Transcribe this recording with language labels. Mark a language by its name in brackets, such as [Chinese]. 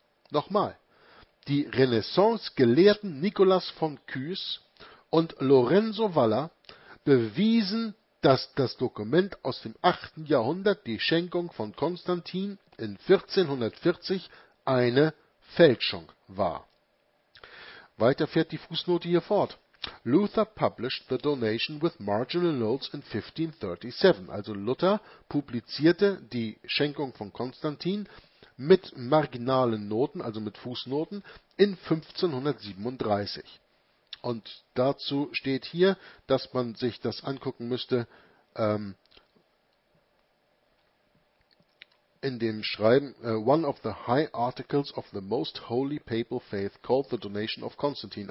[German] Nochmal, die Renaissance-Gelehrten Nicolas von Cues und Lorenzo Valla bewiesen, dass das Dokument aus dem 8. Jahrhundert, die Schenkung von Konstantin in 1440, eine Fälschung war. Weiter fährt die Fußnote hier fort. [English] Luther published the donation with marginal notes in 1537. [German] Also Luther publizierte die Schenkung von Konstantin mit marginalen Noten, also mit Fußnoten, in 1537. Und dazu steht hier, dass man sich das angucken müsste, in dem Schreiben, [English] one of the high articles of the most holy papal faith called the donation of Constantine.